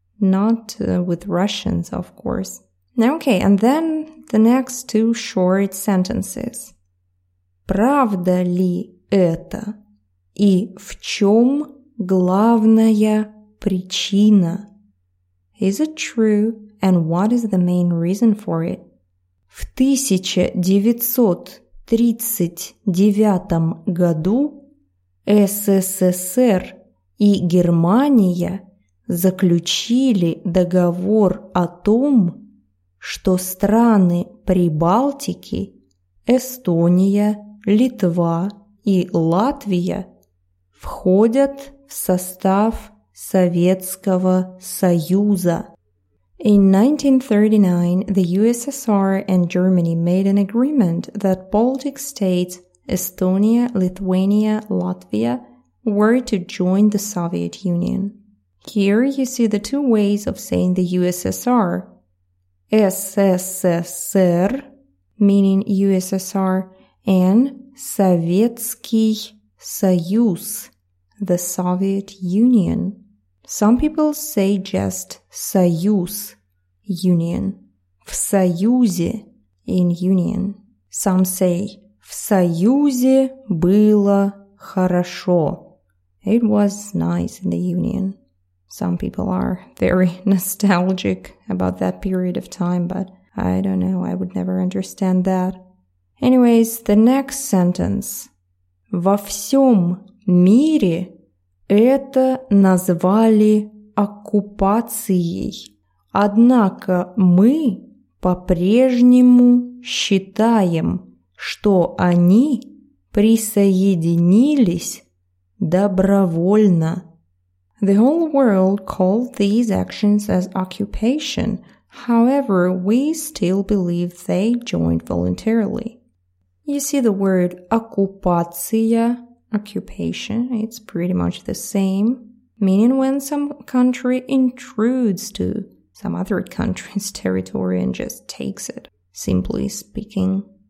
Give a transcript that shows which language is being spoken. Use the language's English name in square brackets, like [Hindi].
[English] Not with Russians, of course. Okay, and then the next two short sentences. [Russian] Правда ли это? И в чем главная причина? [English] Is it true? And what is the main reason for it? [Russian] В 1939 году СССР и Германия заключили договор о том, что страны Прибалтики, Эстония, Литва и Латвия входят в состав Советского Союза. [English] In 1939, the USSR and Germany made an agreement that Baltic states Estonia, Lithuania, Latvia were to join the Soviet Union. Here you see the two ways of saying the USSR. [Russian] СССР, [English] meaning USSR, and Советский Союз, the Soviet Union. Some people say just Союз, Union. [Russian] В Союзе, [English] in Union. Some say [Russian] в Союзе было хорошо. [English] It was nice in the Union. Some people are very nostalgic about that period of time, but I don't know, I would never understand that. Anyways, the next sentence. [Russian] Во всем мире это назвали оккупацией. Однако мы по-прежнему считаем, что они присоединились добровольно. [English] The whole world called these actions as occupation. However, we still believe they joined voluntarily. You see the word оккупация, occupation, it's pretty much the same, meaning when some country intrudes to some other country's territory and just takes it, simply speaking.